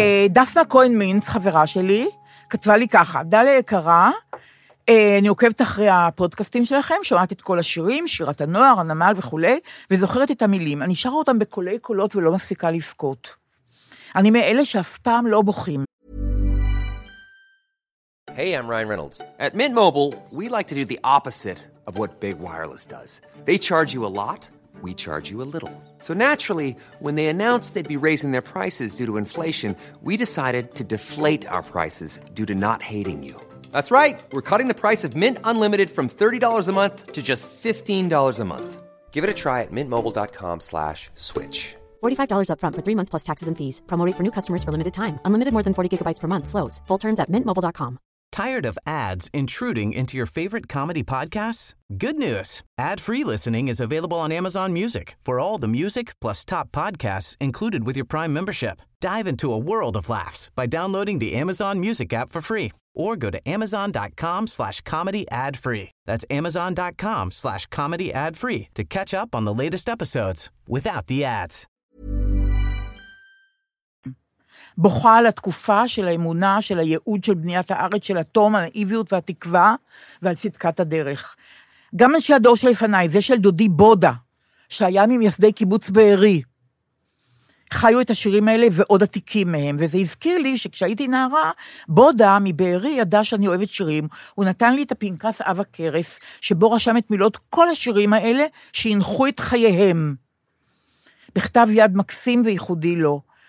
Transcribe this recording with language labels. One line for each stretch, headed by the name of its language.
Hebrew: דפנה כהן מינץ, חברה שלי, כתבה לי ככה, דלי יקרה, אני עוקבת אחרי הפודקאסטים שלכם, שומעת את כל השירים, שירת הנוער, הנמל וכו', וזוכרת את המילים. אני שרה אותם בקולי קולות ולא מפסיקה לבכות. אני מאלה שאף פעם לא בוכים.
English: Hey, I'm Ryan Reynolds. At Mint Mobile, we like to do the opposite of what Big Wireless does. They charge you a lot, we charge you a little. So naturally, when they announced they'd be raising their prices due to inflation, we decided to deflate our prices due to not hating you. That's right. We're cutting the price of Mint Unlimited from $30 a month to just $15 a month. Give it a try at mintmobile.com/switch. $45 up front for 3 months plus taxes and fees. Promo rate for new customers for limited time. Unlimited more than 40 gigabytes per month slows. Full terms at mintmobile.com. Tired of ads intruding into your favorite comedy podcasts? Good news. Ad-free listening is available on Amazon Music for all the music plus top podcasts included with your Prime membership. Dive into a world of laughs by downloading the Amazon Music app for free or go to amazon.com/comedyadfree. That's amazon.com/comedyadfree to catch up on the latest episodes without the ads.
Hebrew: בוכה על התקופה של האמונה, של הייעוד, של בניית הארץ, של התום, הנאיביות והתקווה ועל צדקת הדרך. גם אנשי הדור שלפניי, זה של דודי בודה, שהיה ממייסדי קיבוץ בערי, חיו את השירים האלה ועוד עתיקים מהם, וזה הזכיר לי שכשהייתי נערה, בודה מבערי ידע שאני אוהבת שירים, הוא נתן לי את הפנקס אב הקרס, שבו רשם את מילות כל השירים האלה שהנחו את חייהם, בכתב יד מקסים וייחודי לו.